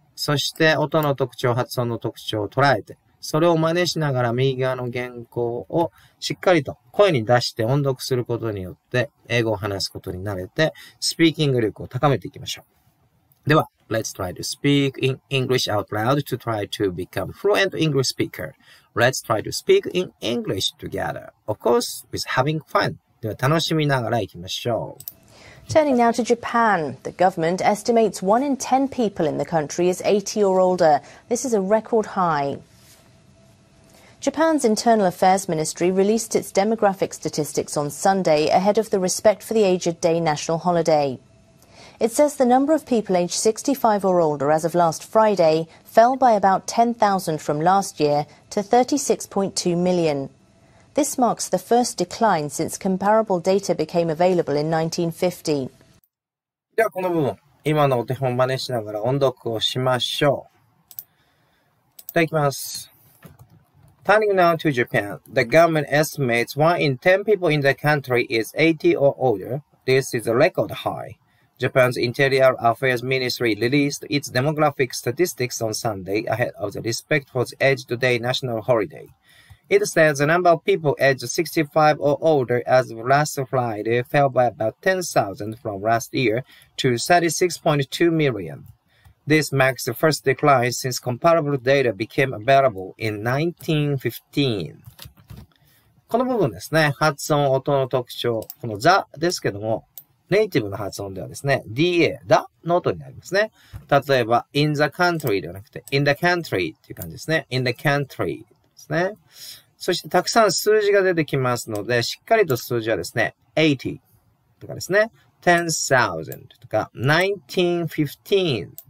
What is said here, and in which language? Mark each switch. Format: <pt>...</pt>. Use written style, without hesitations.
<ja>そして、音の特徴、発音の特徴を捉えて、それを真似しながら右側の原稿をしっかりと声に出して音読することによって英語を話すことに慣れてスピーキング力を高めていきましょう。では、</ja> <en>Let's try to speak in English out loud to try to become fluent English speaker. Let's try to speak in English together. Of course, with having fun.</en> <ja>では、楽しみながら行きましょう。</ja> <en>Turning now to Japan. The government estimates 1 in 10 people in the country is 80 or older. This is a record high. Japan's Internal Affairs Ministry released its demographic statistics on Sunday ahead of the Respect for the Aged Day national holiday. It says the number of people aged 65 or older as of last Friday fell by about 10,000 from last year to 36.2 million. This marks the first decline since comparable data became available in 1950.</en> <ja>ではこの部分、今のお手本を真似しながら音読をしましょう。いただきます。</ja> <en>Turning now to Japan, the government estimates 1 in 10 people in the country is 80 or older. This is a record high. Japan's Interior Affairs Ministry released its demographic statistics on Sunday ahead of the Respect for the Aged Day national holiday. It says the number of people aged 65 or older as of last Friday fell by about 10,000 from last year to 36.2 million. This marks the first decline since comparable data became available in 1915.</en> <ja>この部分ですね。発音、音の特徴。このザですけども、ネイティブの発音ではですね、DA、ダの音になりますね。例えば、</ja> <en>in the country</en> <ja>ではなくて、in the country っていう感じですね。 in the country ですね。そして、たくさん数字が出てきますので、しっかりと数字はですね、80とかですね、10,000 とか、1915。</ja>